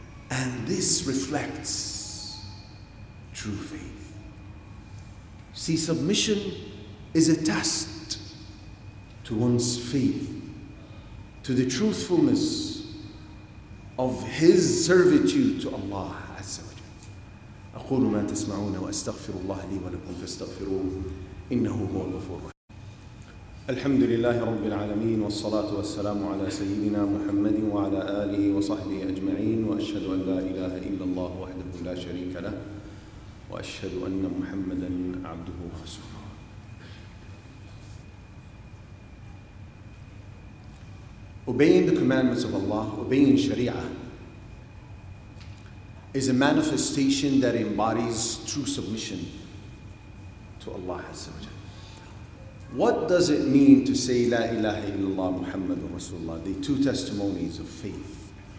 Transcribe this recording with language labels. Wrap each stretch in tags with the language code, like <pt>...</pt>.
<en>And this reflects true faith. See, submission is a test to one's faith, to the truthfulness of his servitude to Allah Azza wa Jalla.</en> <ar>أقول ما تسمعون وأستغفر الله لي ولكم فاستغفروه إنه هو الغفور الرحيم. الحمد لله رب العالمين والصلاة والسلام على سيدنا محمد وعلى آله وصحبه أجمعين وأشهد أن لا إله إلا الله وحده لا شريك له وأشهد أن محمدا عبده ورسوله.</ar> <en>Obeying the commandments of Allah, obeying Sharia, is a manifestation that embodies true submission to Allah Azza wa Jalla. What does it mean to say La ilaha illallah Muhammadun Rasulullah, the two testimonies of faith?</en>